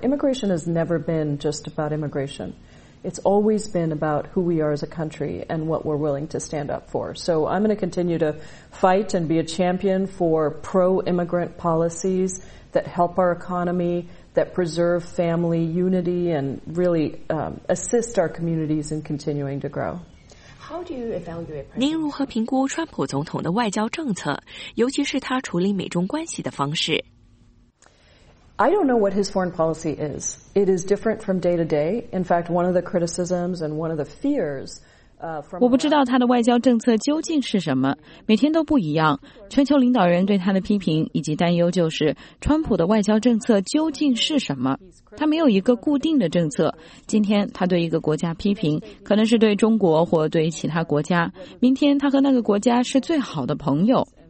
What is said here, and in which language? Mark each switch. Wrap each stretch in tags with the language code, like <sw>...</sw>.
<en>Immigration has never been just about immigration. It's always been about who we are as a country and what we're willing to stand up for. So I'm going to continue to fight and be a champion for pro-immigrant policies that help our economy,that preserve family unity and really assist our communities in continuing to grow. How do you evaluate?</en> <zh>您如何评估川普总统的外交政策，尤其是他处理美中关系的方式？</zh> <en>I don't know what his foreign policy is. It is different from day to day. In fact, one of the criticisms and one of the fears.</en> <zh>我不知道他的外交政策究竟是什么，每天都不一样。全球领导人对他的批评以及担忧就是，川普的外交政策究竟是什么？他没有一个固定的政策。今天他对一个国家批评，可能是对中国或对其他国家，明天他和那个国家是最好的朋友。</zh>